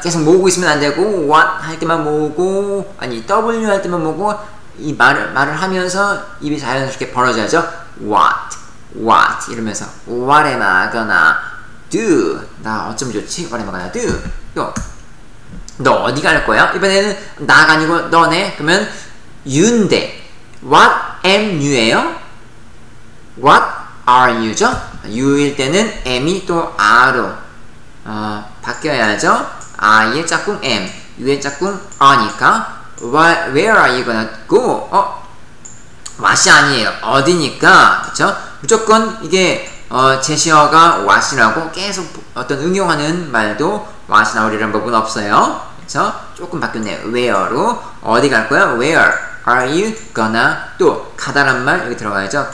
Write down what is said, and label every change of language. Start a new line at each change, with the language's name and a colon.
Korean: 계속 모으고 있으면 안 되고 What 할 때만 모으고 아니 W 할 때만 모으고 이 말을 하면서 입이 자연스럽게 벌어져야죠 What?
English: What?
Korean: 이러면서
English: What am I gonna do?
Korean: 나 어쩌면 좋지?
English: What am I gonna do?
Korean: 요. 너 어디 갈 거야? 이번에는 나가 아니고 너네 그러면 you인데 What am you예요?
English: What are you죠?
Korean: you일 때는 am이 또 are로 바뀌어야죠. I의 짝꿍 am, U의 짝꿍 are니까
English: where are you gonna go?
Korean: 왓이 아니에요. 어디니까 그렇죠? 무조건 이게 제시어가 왓이라고 계속 어떤 응용하는 말도 왓이 나오리란 법은 없어요. 그렇죠? 조금 바뀌었네요. where로 어디 갈 거야? where are you gonna 또 가다란 말 여기 들어가야죠.